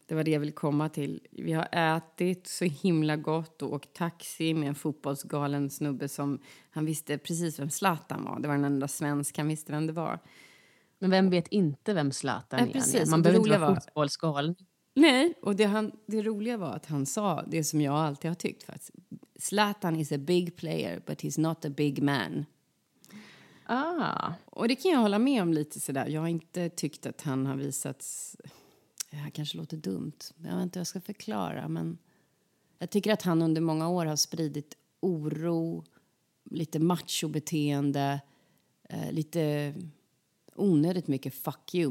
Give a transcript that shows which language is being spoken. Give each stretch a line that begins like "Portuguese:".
Swedish: Det var det jag ville komma till. Vi har ätit så himla gott och åkt taxi med en fotbollsgalen snubbe som han visste precis vem Zlatan var. Det var den enda svensk han visste vem det var. Men vem vet inte vem Zlatan är? Precis. Man behöver inte vara fotbollsgalen. Nej, och det roliga var att han sa det som jag alltid har tyckt. Faktiskt.
English: Zlatan is a big player, but he's not a big man. Ah.
Swedish: Och det kan jag hålla med om lite sådär. Jag har inte tyckt att han har visats. Det här kanske låter dumt. Jag vet inte hur jag ska förklara. Men jag tycker att han under många år har spridit oro. Lite machobeteende. Lite onödigt mycket fuck you.